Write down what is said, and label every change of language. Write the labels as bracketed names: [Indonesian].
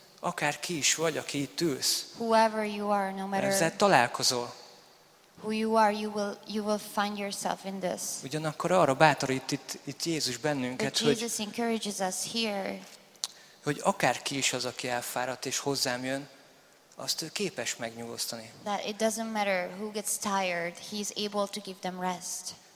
[Hungarian] Akár ki is vagy, aki itt ülsz. [English] Whoever you are, no matter [Hungarian] ezzel találkozol. [English] Who you are, you will find yourself in this. [Hungarian] Ugyanakkor arra bátorít itt Jézus bennünket, [English] but Jesus encourages us here. [Hungarian] Hogy akár ki is az, aki elfáradt és hozzám jön, azt ő képes megnyugosztani. [English] That it doesn't matter who gets tired, he's able to give them rest.